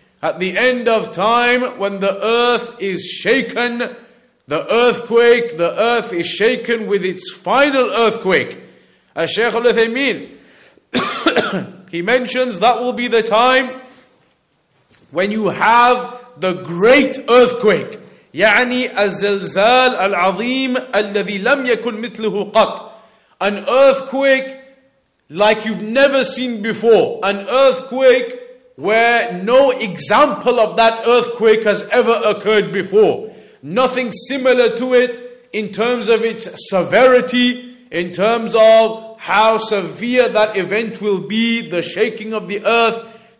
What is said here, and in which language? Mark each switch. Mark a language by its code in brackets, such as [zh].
[en] At the end of time, when the earth is shaken, the earthquake, the earth is shaken with its final earthquake. As Shaykh al-Uthaymeen, he mentions that will be the time when you have the great earthquake. [ar] يعني الزلزال العظيم الذي لم يكن مثله قط. [en] An earthquake like you've never seen before. An earthquake where no example of that earthquake has ever occurred before. Nothing similar to it in terms of its severity, in terms of how severe that event will be, the shaking of the earth.